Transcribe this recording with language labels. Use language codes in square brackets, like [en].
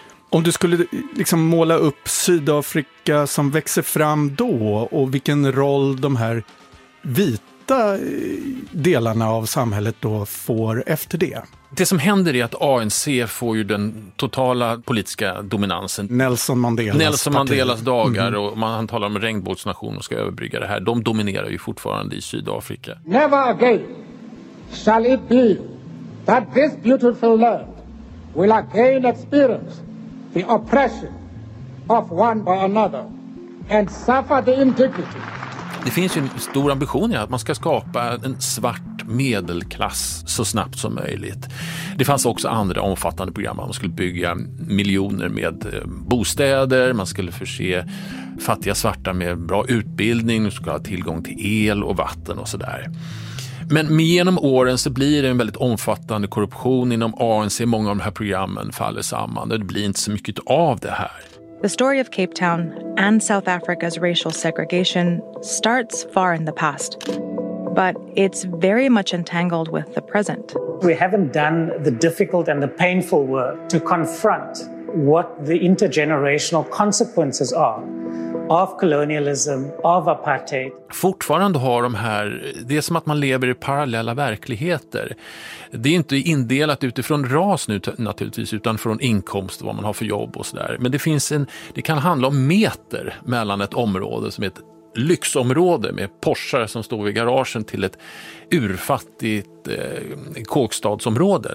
[sv] Om du skulle liksom måla upp Sydafrika som växer fram då och vilken roll de här vita delarna av samhället då får efter det. Det som händer är att ANC får ju den totala politiska dominansen. Nelson Mandelas dagar, och man talar om regnbågsnation och ska överbrygga det här. De dominerar ju fortfarande i Sydafrika. [en] Never again shall it be that this beautiful land will again experience the oppression of one by another and suffer the indignity. [sv] Det finns ju en stor ambition i att man ska skapa en svart medelklass så snabbt som möjligt. Det fanns också andra omfattande program. Man skulle bygga miljoner med bostäder. Man skulle förse fattiga svarta med bra utbildning. Man skulle ha tillgång till el och vatten och sådär. Men genom åren så blir det en väldigt omfattande korruption inom ANC. Många av de här programmen faller samman. Det blir inte så mycket av det här. [en] The story of Cape Town and South Africa's racial segregation starts far in the past, but it's very much entangled with the present. We haven't done the difficult and the painful work to confront what the intergenerational consequences are of colonialism, of apartheid. [sv] Fortfarande har de här, det är som att man lever i parallella verkligheter. Det är inte indelat utifrån ras nu naturligtvis, utan från inkomst, vad man har för jobb och sådär. Men det finns en, det kan handla om meter mellan ett område som är ett lyxområde med Porsche som står vid garagen till ett urfattigt kåkstadsområde.